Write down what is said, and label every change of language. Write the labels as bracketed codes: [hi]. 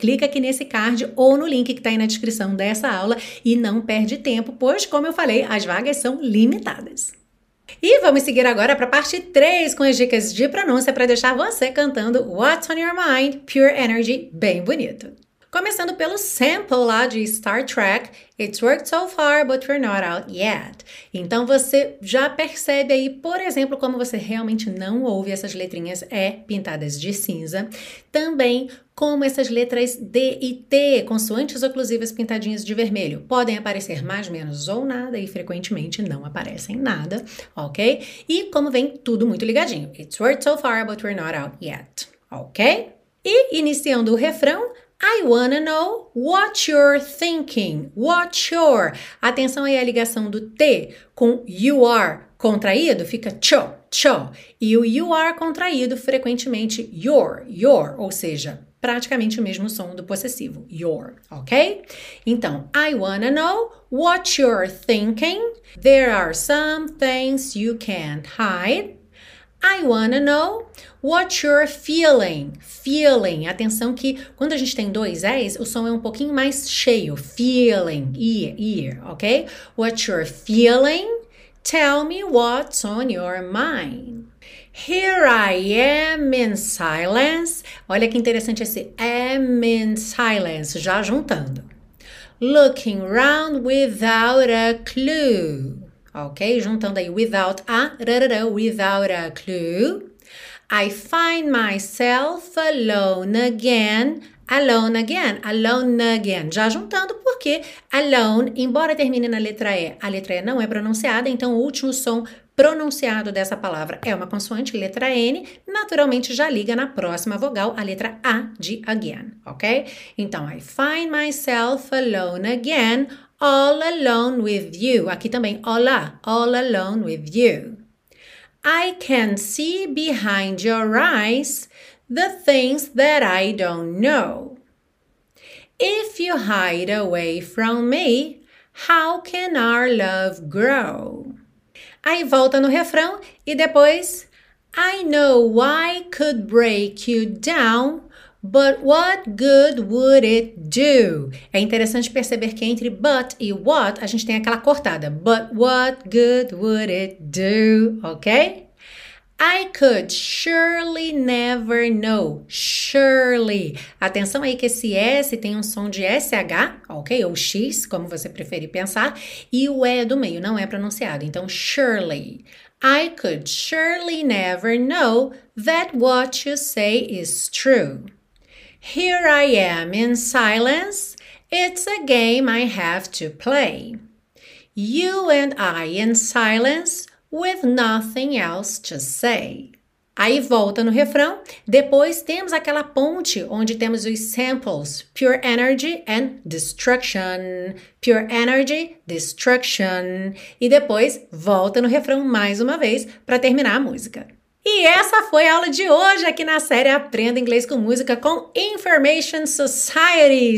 [pt] Clica aqui nesse card ou no link que está aí na descrição dessa aula e não perde tempo, pois, como eu falei, as vagas são limitadas. E vamos seguir agora para a parte 3 com as dicas de pronúncia para deixar você cantando What's On Your Mind, Pure Energy, bem bonito. Começando pelo sample lá de Star Trek, [en] It's worked so far, but we're not out yet. [pt] Então você já percebe aí, por exemplo, como você realmente não ouve essas letrinhas E pintadas de cinza. Também como essas letras D e T, consoantes oclusivas pintadinhas de vermelho, podem aparecer mais, menos ou nada, e frequentemente não aparecem nada, ok? E como vem tudo muito ligadinho, [en] It's worked so far, but we're not out yet, ok? [pt] E iniciando o refrão, [en] I wanna know what you're thinking, what you're. [pt] Atenção aí à ligação do T com [en] you are [pt] contraído, fica cho, cho. E o [en] you are [pt] contraído frequentemente, your, your. Ou seja, praticamente o mesmo som do possessivo, your, ok? Então, [en] I wanna know what you're thinking. There are some things you can't hide. I wanna know what you're feeling, feeling. [pt] Atenção que quando a gente tem dois E's, o som é um pouquinho mais cheio, feeling, ear, ear, ok? [en] What you're feeling, tell me what's on your mind. Here I am in silence. [pt] Olha que interessante esse [en] am in silence, [pt] já juntando. [en] Looking round without a clue. Ok? [pt] Juntando aí, [en] without a, rarara, without a clue. I find myself alone again. Alone again, alone again. [pt] Já juntando, porque alone, embora termine na letra E, a letra E não é pronunciada, então o último som pronunciado dessa palavra é uma consoante, letra N, naturalmente já liga na próxima vogal, a letra A de again, ok? Então, [en] I find myself alone again. All alone with you. [pt] Aqui também, olá, [en] all alone with you. I can see behind your eyes the things that I don't know. If you hide away from me, how can our love grow? [pt] Aí volta no refrão e depois, [en] I know I could break you down. But what good would it do? [pt] É interessante perceber que entre but e what, a gente tem aquela cortada. [en] But what good would it do? Ok? I could surely never know. Surely. [pt] Atenção aí que esse S tem um som de SH, ok? Ou X, como você preferir pensar. E o E do meio não é pronunciado. Então, surely. [en] I could surely never know that what you say is true. Here I am in silence, it's a game I have to play. You and I in silence, with nothing else to say. [pt] Aí volta no refrão, depois temos aquela ponte onde temos os samples, [en] pure energy and destruction. Pure energy, destruction. [pt] E depois volta no refrão mais uma vez para terminar a música. E essa foi a aula de hoje aqui na série Aprenda Inglês com Música com Information Society.